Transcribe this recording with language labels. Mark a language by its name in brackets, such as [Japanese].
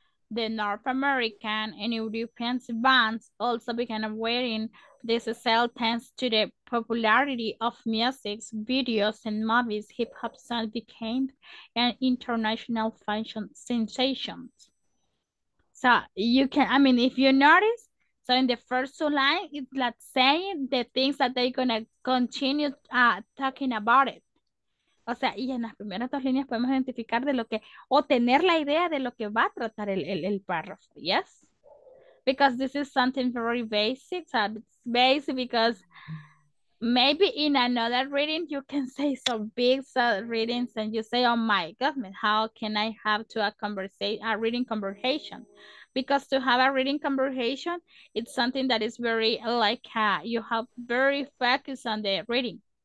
[English] The North American and European bands also began wearing this cell thanks to the popularity of music, videos, and movies. Hip hop song became an international fashion sensation. So, you can, I mean, if you notice, so in the first two lines, it's like saying the things that they're going to continue talking about it. [Spanish] O sea, y en las primeras dos líneas podemos identificar de lo que, o tener la idea de lo que va a tratar el párrafo, [English] yes? Because this is something very basic, so it's basic because maybe in another reading you can say some big readings and you say, oh my God, how can I have to a reading conversation? Because to have a reading conversation, it's something that is very like, you have very focused on the reading.